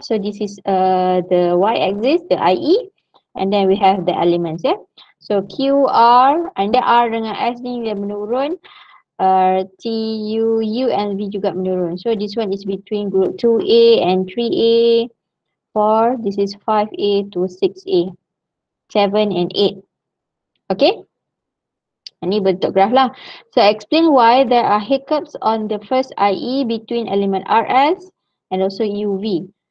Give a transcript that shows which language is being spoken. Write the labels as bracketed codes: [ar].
[en] So this is the Y axis, the IE. And then we have the elements, yeah. [ms] So Q, R, [en] and then [ms] R dengan S ni dia menurun, T, U, U [en] and [ms] V juga menurun. [en] So this one is between group 2A and 3A, 4, this is 5A to 6A, 7 and 8. [ms] Okay, ini bentuk graf lah. [en] So explain why there are hiccups on the first IE between element RS and also UV.